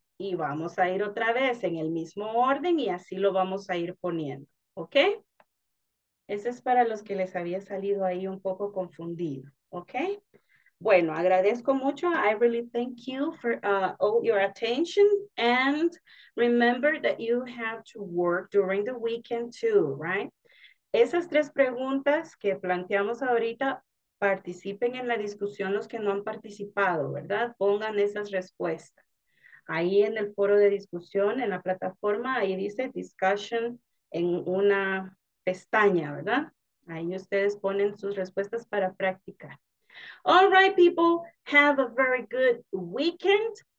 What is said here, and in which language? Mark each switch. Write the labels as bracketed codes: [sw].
[es] Y vamos a ir otra vez en el mismo orden y así lo vamos a ir poniendo, ¿ok? Ese es para los que les había salido ahí un poco confundido, ¿ok? Bueno, agradezco mucho. [en] I really thank you for all your attention. And remember that you have to work during the weekend too, right? [es] Esas tres preguntas que planteamos ahorita, participen en la discusión los que no han participado, ¿verdad? Pongan esas respuestas. Ahí en el foro de discusión, en la plataforma, ahí dice discussion en una pestaña, ¿verdad? Ahí ustedes ponen sus respuestas para practicar. [en] All right, people, have a very good weekend.